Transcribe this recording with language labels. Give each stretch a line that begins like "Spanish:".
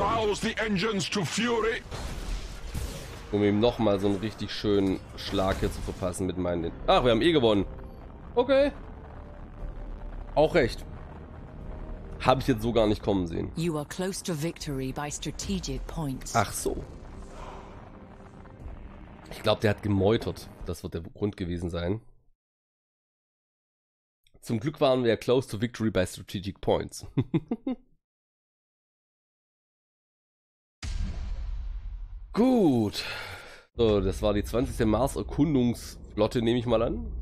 English: Rouse the engines to fury.
German: Um ihm nochmal so einen richtig schönen Schlag hier zu verpassen mit meinen. Ach, wir haben eh gewonnen. Okay. Auch recht. Habe ich jetzt so gar nicht kommen sehen.
English: You are close to victory by strategic points.
German: Ach so. Ich glaube, der hat gemeutert. Das wird der Grund gewesen sein. Zum Glück waren wir
English: close to victory by strategic points.
German: Gut. So, das war die 20. Mars-Erkundungsflotte, nehme ich mal an.